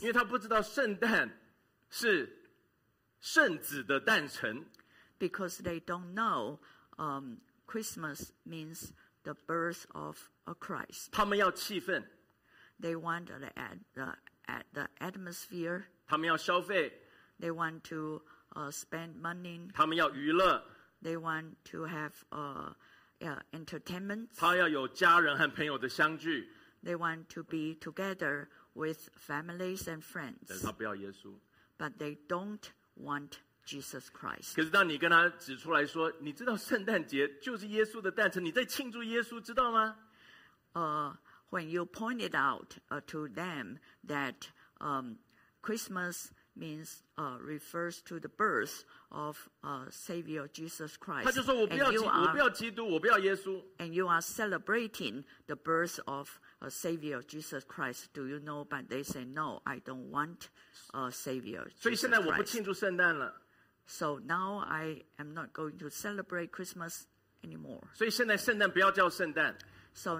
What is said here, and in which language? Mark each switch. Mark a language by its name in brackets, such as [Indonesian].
[Chinese] 因为他不知道圣诞是圣子的诞辰。 [English] Because they don't know, Christmas means the birth of a Christ. [Chinese] 他们要气氛。 [English] They want the atmosphere. [Chinese] 他们要消费。 [English] They want to spend money. [Chinese] 他们要娱乐。 [English] They want to have entertainment. [Chinese] 他要有家人和朋友的相聚。 [English] They want to be together with families and friends. [Chinese] 但他不要耶稣。 [English] But they don't want Jesus Christ. [Chinese] 可是当你跟他指出来说，你知道圣诞节就是耶稣的诞辰，你在庆祝耶稣，知道吗？ [English] when you pointed out to them that Christmas means refers to the birth of Savior Jesus Christ. [Chinese] 他就说我不要基督，我不要耶稣。 [English] And you are celebrating the birth of Savior Jesus Christ. Do you know? But they say no, I don't want a Savior Jesus Christ. [Chinese] 所以现在我不庆祝圣诞了。So [English] now I am not going to celebrate Christmas anymore. [Chinese] 所以现在圣诞不要叫圣诞。So